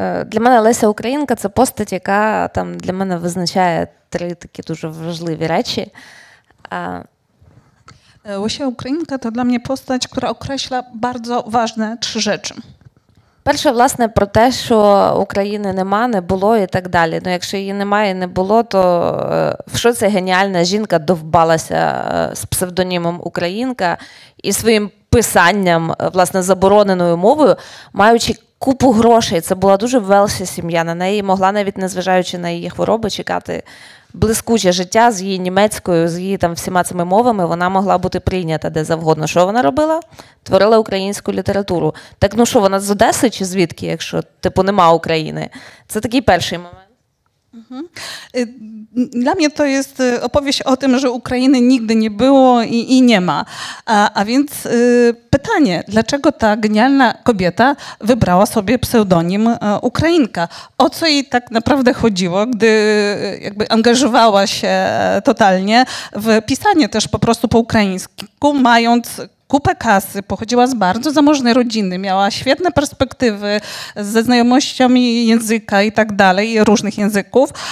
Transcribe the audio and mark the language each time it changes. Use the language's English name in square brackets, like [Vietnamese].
[Ukrainian] Для мене Леся Українка – це постать, яка там для мене визначає 3 такі дуже важливі речі. [Polish] Łysia Ukrainka to dla mnie postać, która określa bardzo ważne trzy rzeczy. [Ukrainian] Перше, власне, про те, що України нема, не було і так далі. Ну, якщо її немає, не було, то в що ця геніальна жінка довбалася з псевдонімом Українка і своїм писанням, власне, забороненою мовою, маючи купу грошей. Це була дуже велша сім'я. На неї могла навіть, незважаючи на її хвороби, чекати блискуче життя з її німецькою, з її там всіма цими мовами, вона могла бути прийнята де завгодно. Що вона робила? Творила українську літературу. Так, ну що, вона з Одеси чи звідки, якщо, типу, нема України? Це такий перший момент. [Polish] Dla mnie to jest opowieść o tym, że Ukrainy nigdy nie było i nie ma. A więc pytanie, dlaczego ta genialna kobieta wybrała sobie pseudonim Ukrainka? O co jej tak naprawdę chodziło, gdy jakby angażowała się totalnie w pisanie też po prostu po ukraińsku, mając kupę kasy, pochodziła z bardzo zamożnej rodziny, miała świetne perspektywy ze znajomościami języka i tak dalej, różnych języków.